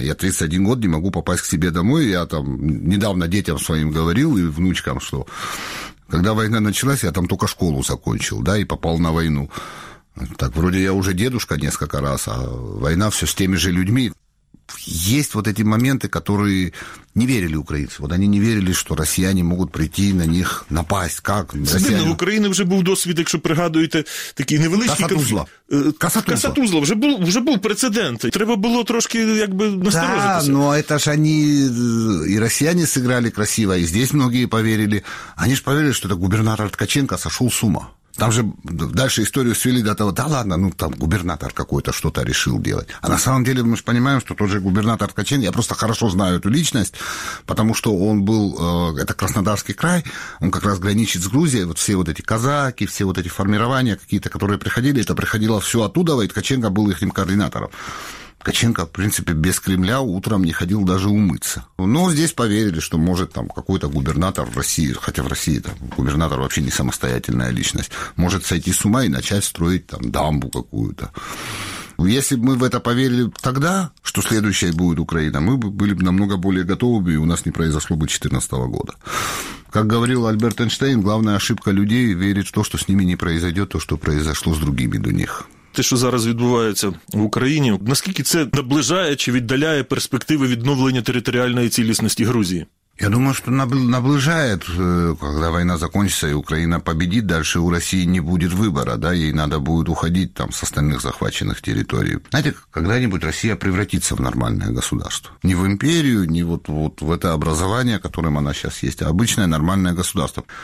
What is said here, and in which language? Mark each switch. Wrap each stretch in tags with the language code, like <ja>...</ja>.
<ru>Я 31 год не могу попасть к себе домой. Я там недавно детям своим говорил и внучкам, что когда война началась, я там только школу закончил, да, и попал на войну. Так, вроде я уже дедушка несколько раз, а война все с теми же людьми. Есть вот эти моменты, которые не верили украинцы. Вот они не верили, что россияне могут прийти на них напасть. Как?</ru> <uk>Дивно, в Украине уже был досвід, якщо пригадуєте, такий невеличкий... Касатузла. Касатузла. Вже був прецедент. Треба було трошки, як би, насторожитися.</uk> <ru>Да, но это ж они... И россияне сыграли красиво, и здесь многие поверили. Они ж поверили, что это губернатор Ткаченко сошел с ума. Там же дальше историю свели до того, да ладно, ну там губернатор какой-то что-то решил делать. А на самом деле мы же понимаем, что тот же губернатор Ткаченко, я просто хорошо знаю эту личность, потому что он был, это Краснодарский край, он как раз граничит с Грузией, вот все вот эти казаки, все вот эти формирования какие-то, которые приходили, это приходило все оттуда, и Ткаченко был их координатором. Ткаченко, в принципе, без Кремля утром не ходил даже умыться. Но здесь поверили, что может там какой-то губернатор в России, хотя в России там губернатор вообще не самостоятельная личность, может сойти с ума и начать строить там дамбу какую-то. Если бы мы в это поверили тогда, что следующей будет Украина, мы бы были бы намного более готовы, и у нас не произошло бы 2014 года. Как говорил Альберт Эйнштейн, главная ошибка людей – верить в то, что с ними не произойдет то, что произошло с другими до них.</ru> <uk>Те, що зараз відбувається в Україні, наскільки це наближає чи віддаляє перспективи відновлення територіальної цілісності Грузії?</uk> <ru>Я думаю, что наближает, когда война закончится и Украина победит, дальше у России не будет выбора, да, ей надо будет уходить там с остальных захваченных территорий. Знаете, когда-нибудь Россия превратится в нормальное государство. Не в империю, не вот, вот в это образование, которым она сейчас есть, а обычное нормальное государство.</ru>